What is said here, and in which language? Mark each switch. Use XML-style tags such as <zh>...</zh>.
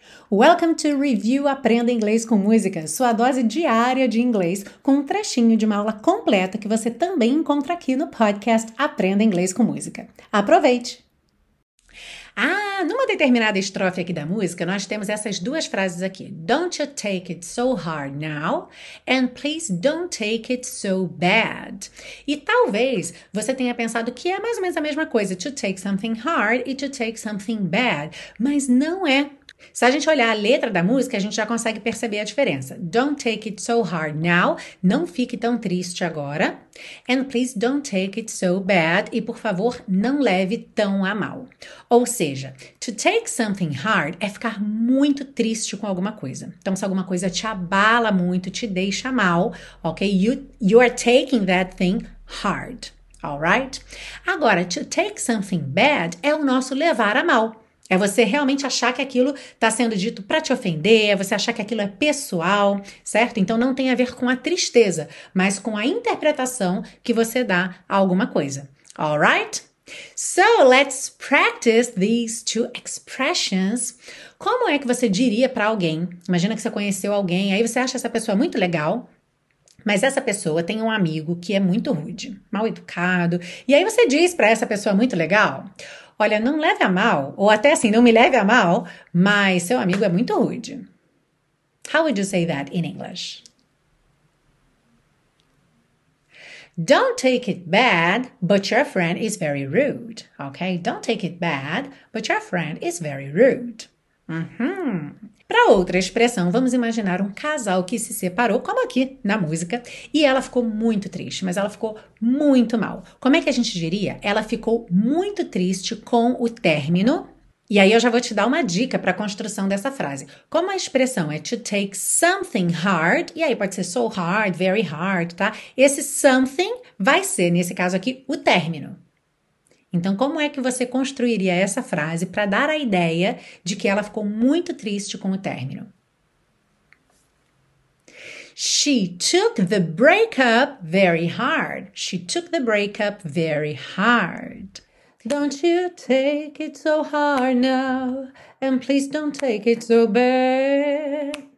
<pt>Welcome to Review Aprenda Inglês com Música, sua dose diária de inglês, com um trechinho de uma aula completa que você também encontra aqui no podcast Aprenda Inglês com Música. Aproveite! Ah, numa determinada estrofe aqui da música, nós temos essas duas frases aqui.</pt> <en>Don't you take it so hard now, and please don't take it so bad.</en> <pt>E talvez você tenha pensado que é mais ou menos a mesma coisa,</pt> <en>to take something hard</en> <pt>e</pt> <en>to take something bad,</en> <pt>mas não é. Se a gente olhar a letra da música, a gente já consegue perceber a diferença.</pt> <en>Don't take it so hard now,</en> <pt>não fique tão triste agora.</pt> <en>And please don't take it so bad,</en> <pt>e por favor, não leve tão a mal. Ou seja,</pt> <en>to take something hard</en> <pt>é ficar muito triste com alguma coisa. Então, se alguma coisa te abala muito, te deixa mal, ok?</pt> <en>You are taking that thing hard, alright?</en> <pt>Agora,</pt> <en>to take something bad</en> <pt>é o nosso levar a mal. É você realmente achar que aquilo está sendo dito para te ofender, é você achar que aquilo é pessoal, certo? Então não tem a ver com a tristeza, mas com a interpretação que você dá a alguma coisa.</pt> <en>Alright? So, let's practice these two expressions.</en> <pt>Como é que você diria para alguém? Imagina que você conheceu alguém, aí você acha essa pessoa muito legal, mas essa pessoa tem um amigo que é muito rude, mal educado, e aí você diz para essa pessoa muito legal: olha, não leve a mal, ou até assim, não me leve a mal, mas seu amigo é muito rude.</pt> <en>How would you say that in English? Don't take it bad, but your friend is very rude. Okay? Don't take it bad, but your friend is very rude.</en> <pt>Para outra expressão, vamos imaginar um casal que se separou, como aqui na música, e ela ficou muito triste, mas ela ficou muito mal. Como é que a gente diria? Ela ficou muito triste com o término. E aí eu já vou te dar uma dica para a construção dessa frase. Como a expressão é</pt> <en>to take something hard,</en> <pt>e aí pode ser</pt> <en>so hard, very hard,</en> <pt>tá? Esse something vai ser, nesse caso aqui, o término. Então, como é que você construiria essa frase para dar a ideia de que ela ficou muito triste com o término?</pt> <en>She took the breakup very hard. She took the breakup very hard. Don't you take it so hard now, and please don't take it so bad.</en>